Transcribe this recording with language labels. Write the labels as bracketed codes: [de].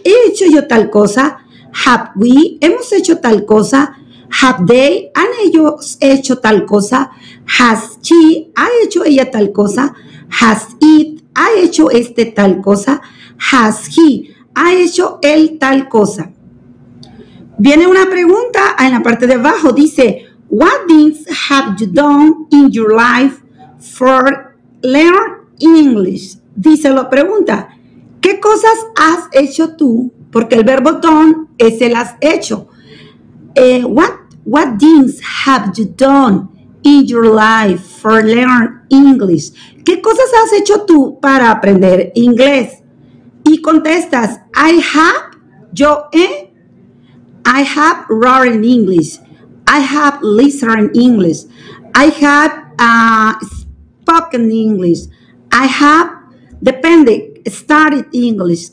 [es] ¿He hecho yo tal cosa? [en] Have we? [es] ¿Hemos hecho tal cosa? [en] Have they? [es] ¿Han ellos hecho tal cosa? [en] Has she? [es] ¿Ha hecho ella tal cosa? [en] Has it? [es] ¿Ha hecho este tal cosa? [en] Has he? [es] ¿Ha hecho él tal cosa? Viene una pregunta en la parte de abajo. Dice, [en] what things have you done in your life for learn English? [es] Dice la pregunta, ¿qué cosas has hecho tú? Porque el verbo done es el has hecho. [en] What things have you done in your life for learn English? [es] ¿Qué cosas has hecho tú para aprender inglés? Y contestas, [en] I have, [es] yo he, [en] I have written English, I have listened English, I have spoken English, I have, [es] depende, [en] studied English.